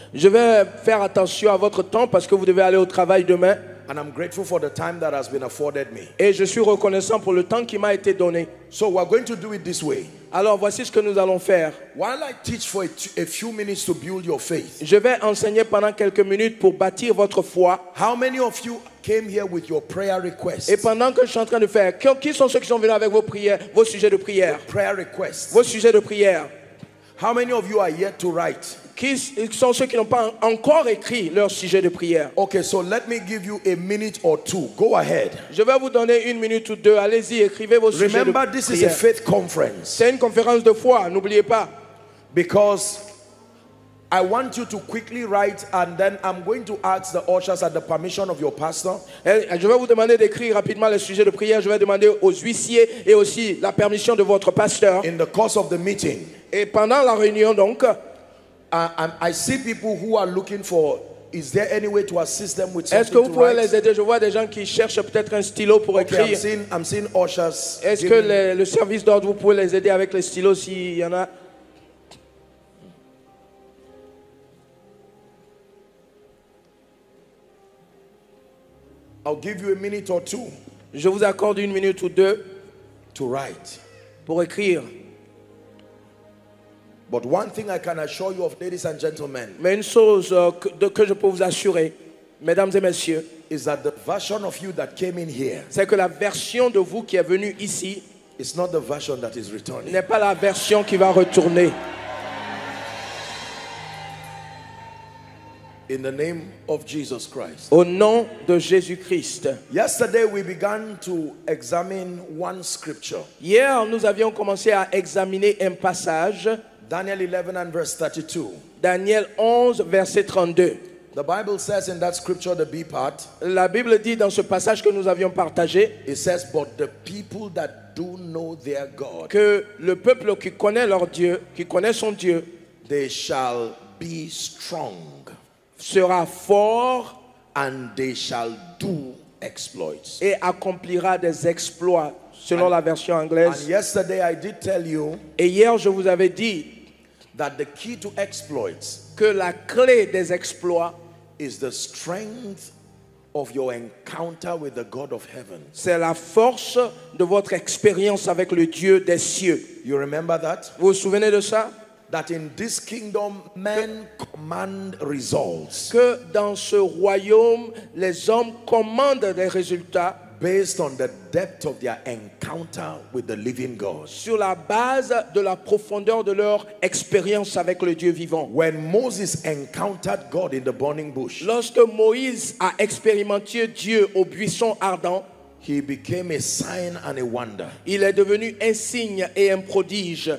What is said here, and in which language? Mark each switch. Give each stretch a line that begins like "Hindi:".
French: Je vais faire attention à votre temps parce que vous devez aller au travail demain.
English: And I'm grateful for the time that has been afforded me.
French: Et je suis reconnaissant pour le temps qui m'a été donné.
English: So we're going to do it this way.
French: Alors voici ce que nous allons faire.
English: While I teach for a few minutes to build your faith.
French: Je vais enseigner pendant quelques minutes pour bâtir votre foi.
English: How many of you came here with your prayer requests?
French: Et pendant que je suis en train de faire, qui sont ceux qui sont venus avec vos prières, vos sujets de prière?
English: Prayer requests.
French: Vos sujets de prière.
English: How many of you are yet to write?
French: sont ceux qui n'ont pas encore écrit leur sujet de prière.
English: Okay, so let me give you a minute or two. Go ahead.
French: Je vais vous donner une minute ou deux. Allez-y, écrivez vos sujets de prière.
English: Remember, this is a faith conference.
French: C'est une conférence de foi, n'oubliez pas.
English: Because I want you to quickly write, and then I'm going to ask the ushers at the permission of your pastor.
French: Je vais vous demander d'écrire rapidement le sujet de prière. Je vais demander aux huissiers et aussi la permission de votre pasteur.
English: In the course of the meeting.
French: Et pendant la réunion, donc,
English: I see people who are looking for. Is there any way to assist them with something?
French: Est-ce que vous pouvez les aider? Je vois des gens qui cherchent peut-être un stylo pour écrire.
English: Okay, I'm seeing ushers.
French: Est-ce que le service d'ordre vous pouvez les aider avec les stylos s'il y en a?
English: I'll give you a minute or two.
French: Je vous accorde une minute ou deux
English: to write.
French: Pour écrire.
English: But one thing I can assure you of, ladies and gentlemen,
French: mais une chose que je peux vous assurer, mesdames et messieurs,
English: is that the version of you that came in here,
French: c'est que la version de vous qui est venue ici,
English: is not the version that is returning.
French: N'est pas la version qui va retourner.
English: In the name of Jesus Christ.
French: Au nom de Jésus-Christ.
English: Yesterday we began to examine one scripture.
French: Hier, nous avions commencé à examiner un passage.
English: Daniel 11 and verse 32.
French: Daniel 11 verset 32.
English: The Bible says in that scripture, the B part.
French: La Bible dit dans ce passage que nous avions partagé.
English: It says, "But the people that do know their God."
French: Que le peuple qui connaît leur Dieu, qui connaît son Dieu,
English: they shall be strong.
French: Sera fort,
English: and they shall do exploits.
French: Et accomplira des exploits, selon la version anglaise.
English: And yesterday I did tell you,
French: et hier je vous avais dit,
English: that the key to exploits,
French: que la clé des exploits,
English: is the strength of your encounter with the God of heaven.
French: C'est la force de votre expérience avec le Dieu des cieux.
English: You remember that?
French: Vous vous souvenez de ça?
English: That in this kingdom men command results.
French: Que dans ce royaume les hommes commandent des résultats
English: based on the depth of their encounter with the living God.
French: Sur la base de la profondeur de leur expérience avec le Dieu vivant.
English: When Moses encountered God in the burning bush.
French: Lorsque Moïse a expérimenté Dieu au buisson ardent.
English: He became a sign and a wonder.
French: Il est devenu un signe et un prodige.